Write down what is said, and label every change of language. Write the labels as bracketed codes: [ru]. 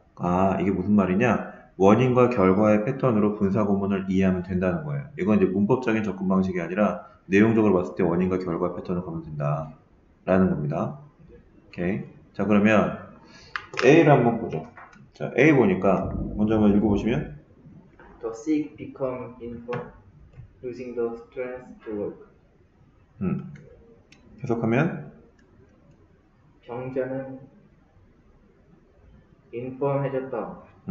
[ko] 아, 이게 무슨 말이냐? 원인과 결과의 패턴으로 분사 구문을 이해하면 된다는 거예요. 이건 이제 문법적인 접근 방식이 아니라 내용적으로 봤을 때 원인과 결과의 패턴을 가면 된다. 라는 겁니다. 오케이. 자, 그러면 A를 한번 보죠. 자, A 보니까 먼저 한번 읽어보시면. [en] The sick become infirm, losing the strength to work. [ko] 해석하면 병자는 infirm해졌다.